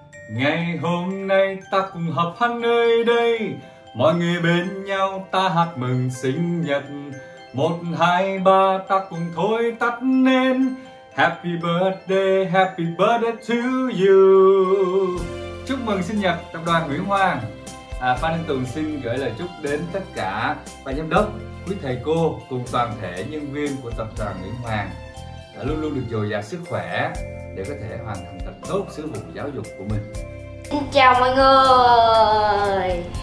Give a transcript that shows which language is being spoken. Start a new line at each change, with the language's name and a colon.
Vietnamese: Ngày hôm nay ta cùng họp hát nơi đây, mọi người bên nhau ta hát mừng sinh nhật. 1, 2, 3 ta cùng thôi tắt nến.
English: Happy birthday, happy birthday to you.
Vietnamese: Chúc mừng sinh nhật tập đoàn Nguyễn Hoàng. Phan Đình Tùng xin gửi lời chúc đến tất cả ban giám đốc, quý thầy cô cùng toàn thể nhân viên của tập đoàn Nguyễn Hoàng đã luôn luôn được dồi dào sức khỏe để có thể hoàn thành thật tốt sứ vụ giáo dục của mình. Xin chào mọi người.